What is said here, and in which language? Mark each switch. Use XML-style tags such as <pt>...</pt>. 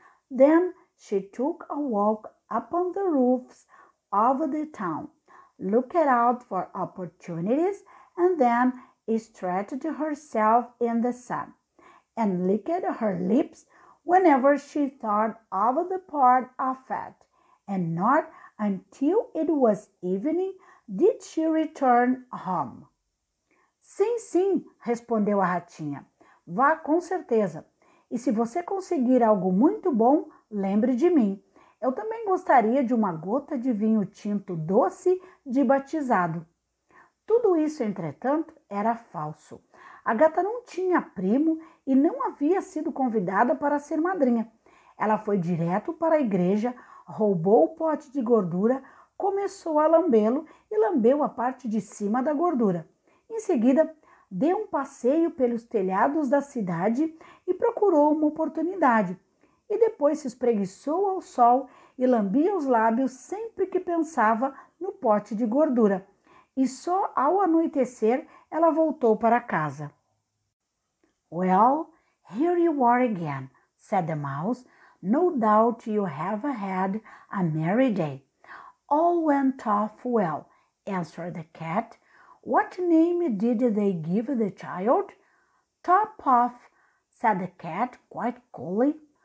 <en>Then she took a walk upon the roofs of the town, looked out for opportunities, and then stretched herself in the sun, and licked her lips whenever she thought of the pot of fat, and not until it was evening did she return home.</en> <pt>Sim, respondeu a ratinha. Vá com certeza. E se você conseguir algo muito bom, lembre de mim. Eu também gostaria de uma gota de vinho tinto doce de batizado. Tudo isso, entretanto, era falso. A gata não tinha primo e não havia sido convidada para ser madrinha. Ela foi direto para a igreja, roubou o pote de gordura, começou a lambê-lo e lambeu a parte de cima da gordura. Em seguida, deu um passeio pelos telhados da cidade e procurou uma oportunidade. E depois se espreguiçou ao sol e lambia os lábios sempre que pensava no pote de gordura. E só ao anoitecer, ela voltou para casa.</pt> <en>"Well, here you are again," said the mouse. "No doubt you have had a merry day." "All went off well," answered the cat. "What name did they give the child?" "Top off," said the cat quite coolly.</en>